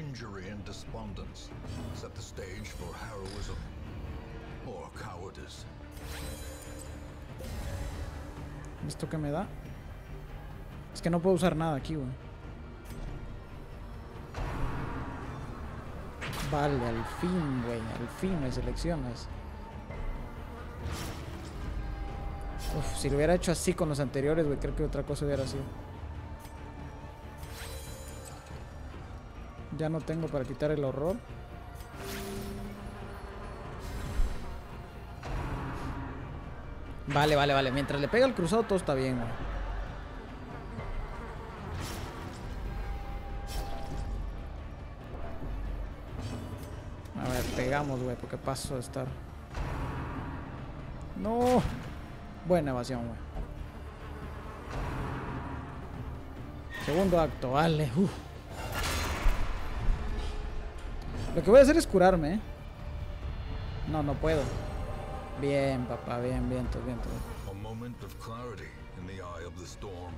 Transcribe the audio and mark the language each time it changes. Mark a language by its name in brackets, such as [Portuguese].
[English] Injury and despondence set the stage for heroism or cowardice. [Spanish] ¿Esto qué me da? Es que no puedo usar nada aquí, güey. Vale, al fin, güey. Al fin me seleccionas. Uf, si lo hubiera hecho así con los anteriores, güey, creo que otra cosa hubiera sido. Ya no tengo para quitar el horror. Vale, vale, vale. Mientras le pega el cruzado, todo está bien, güey. A ver, pegamos, güey, porque paso de estar. ¡No! Buena evasión, güey. Segundo acto, vale. Lo que voy a hacer es curarme, ¿eh? No, no puedo. Bien, papá, bien, bien, todo bien, todo. [English] A moment of clarity in the eye of the storm.